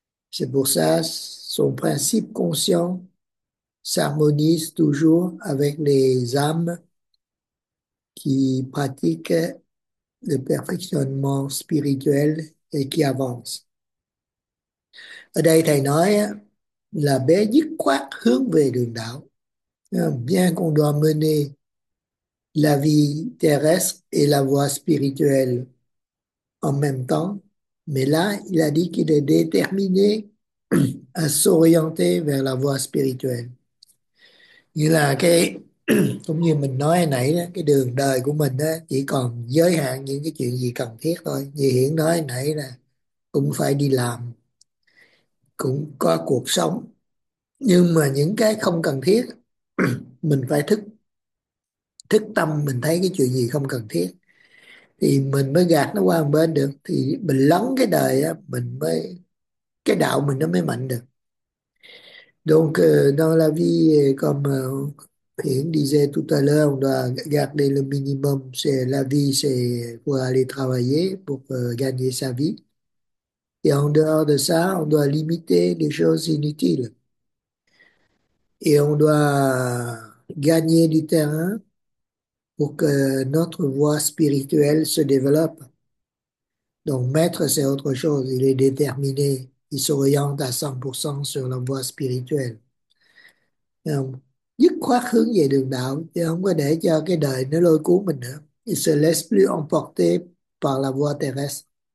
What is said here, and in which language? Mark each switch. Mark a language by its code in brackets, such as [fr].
[fr] C'est pour ça son principe conscient s'harmonise toujours avec les âmes qui pratiquent le perfectionnement spirituel et qui avance. [vi] Ở đây thầy nói là bé dứt khoát hướng về đường đạo. [fr] Bien qu'on doit mener la vie terrestre et la voie spirituelle en même temps, mais là, il a dit qu'il est déterminé à s'orienter vers la voie spirituelle. [vi] Như là cái cũng như mình nói hồi nãy đó, cái đường đời của mình đó chỉ còn giới hạn những cái chuyện gì cần thiết thôi. Như Hiển nói hồi nãy là cũng phải đi làm, cũng có cuộc sống, nhưng mà những cái không cần thiết mình phải thức thức tâm, mình thấy cái chuyện gì không cần thiết thì mình mới gạt nó qua một bên được, thì mình lấn cái đời á, mình mới cái đạo mình nó mới mạnh được. [fr] Donc dans la vie comme Hiện disais tout à l'heure, on doit garder le minimum, c'est la vie, c'est pour aller travailler, pour gagner sa vie. Et en dehors de ça, on doit limiter les choses inutiles. Et on doit gagner du terrain pour que notre voie spirituelle se développe. Donc maître, c'est autre chose, il est déterminé, il s'oriente à 100% sur la voie spirituelle. [vi] Dứt khoát hướng về đường đạo thì không có để cho cái đời nó lôi cuốn mình nữa. [fr] Il se laisse plus emporter par la voie terrestre.